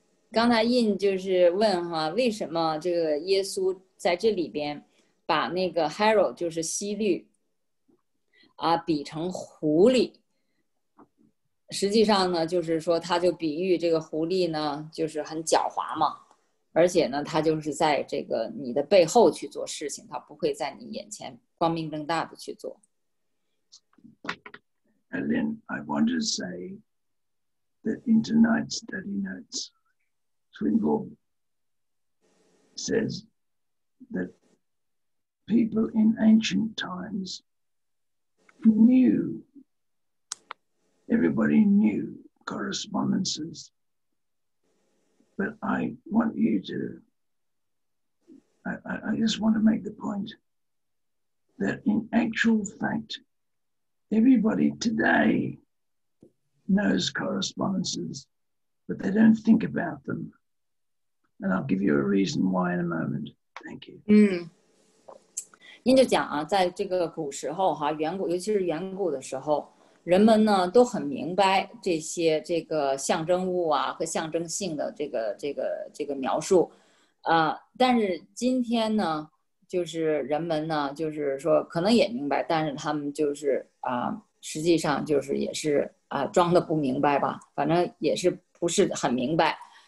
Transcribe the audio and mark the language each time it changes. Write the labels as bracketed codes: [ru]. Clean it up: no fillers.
[zh] 刚才印就是问哈，为什么这个耶稣在这里边把那个 Herod 就是希律啊比成狐狸？实际上呢，就是说他就比喻这个狐狸呢，就是很狡猾嘛，而且呢，他就是在这个你的背后去做事情，他不会在你眼前光明正大的去做。 [en] And then I want to say that in tonight's study notes. Swinburne says that people in ancient times knew, everybody knew correspondences. But I want you to, I just want to make the point that in actual fact, everybody today knows correspondences, but they don't think about them. And I'll give you a reason why in a moment. Thank you. [zh] 您就讲啊，在这个古时候哈，远古，尤其是远古的时候，人们呢都很明白这些这个象征物啊和象征性的这个描述，但是今天呢，就是人们呢，就是说可能也明白，但是他们就是实际上就是也是装的不明白吧，反正也是不是很明白。